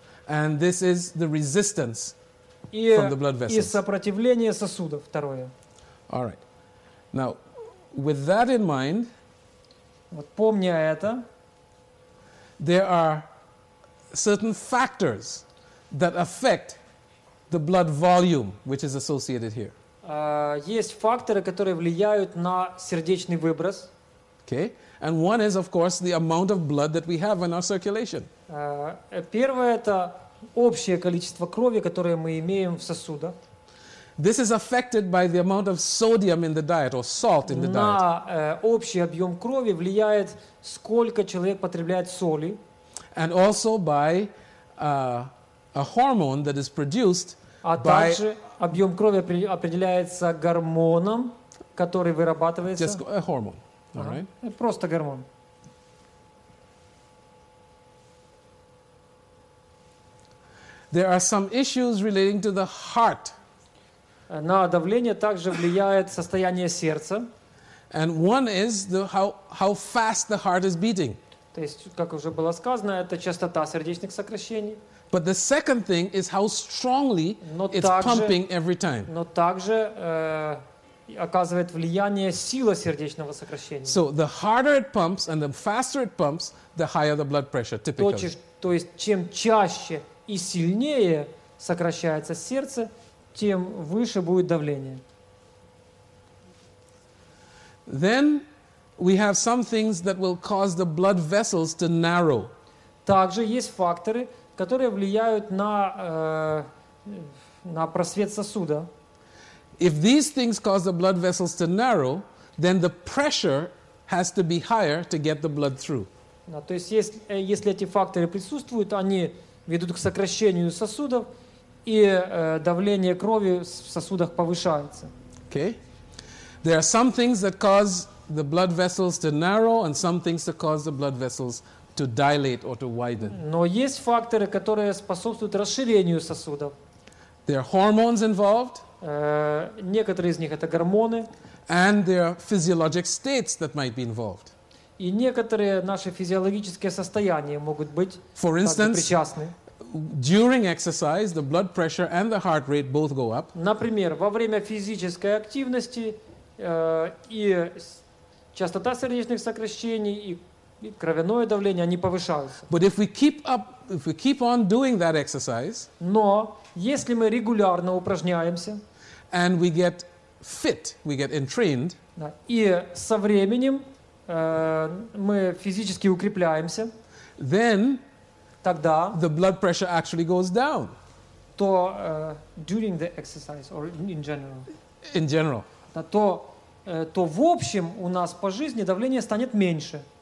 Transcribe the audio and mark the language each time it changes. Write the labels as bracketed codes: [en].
[en] And this is the resistance from the blood vessels. [ru] И сопротивление сосудов второе. [en] All right. Now, with that in mind, [ru] вот помня это, [en] there are certain factors that affect the blood volume, which is associated here. [ru] Есть факторы, которые влияют на сердечный выброс. [en] Okay, and one is, of course, the amount of blood that we have in our circulation. [ru] Первое это общее количество крови, которое мы имеем в сосудах. [en] This is affected by the amount of sodium in the diet or salt in the diet. [ru] На общий объем крови влияет сколько человек потребляет соли. [en] And also by a hormone that is produced by. [ru] А также объем крови определяется гормоном, который вырабатывается. [en] Just a hormone. All right. [ru] Просто гормон. [en] There are some issues relating to the heart. [ru] На давление также влияет состояние сердца. [en] And one is the how fast the heart is beating. [ru] То есть, как уже было сказано, это частота сердечных сокращений. [en] But the second thing is how strongly it's pumping every time. [ru] Но также оказывает влияние сила сердечного сокращения. [en] So the harder it pumps and the faster it pumps, the higher the blood pressure typically. [ru] То есть чем чаще и сильнее сокращается сердце, тем выше будет давление. [en] Then we have some things that will cause the blood vessels to narrow. [ru] Также есть факторы, которые влияют на просвет сосуда. [en] If these things cause the blood vessels to narrow, then the pressure has to be higher to get the blood through. [ru] То есть если эти факторы присутствуют, они ведут к сокращению сосудов, и давление крови в сосудах повышается. [en] Okay. There are some things that cause the blood vessels to narrow and some things that cause the blood vessels to dilate or to widen. [ru] Но есть факторы, которые способствуют расширению сосудов. [en] There are hormones involved. [ru] Некоторые из них это гормоны. [en] And there are physiologic states that might be involved. [ru] И некоторые наши физиологические состояния могут быть [en] For instance, [ru] причастны. [en] During exercise, the blood pressure and the heart rate both go up. [ru] Например, во время физической активности и частота сердечных сокращений и кровяное давление они повышаются. [en] But if we keep on doing that exercise, [ru] но если мы регулярно упражняемся, [en] and we get fit, we get entrained, [ru] и со временем мы физически укрепляемся, [en] then [ru] тогда [en] the blood pressure actually goes down. [ru] То [en] during the exercise or in general. In general. [ru] То в общем у нас по жизни давление станет меньше.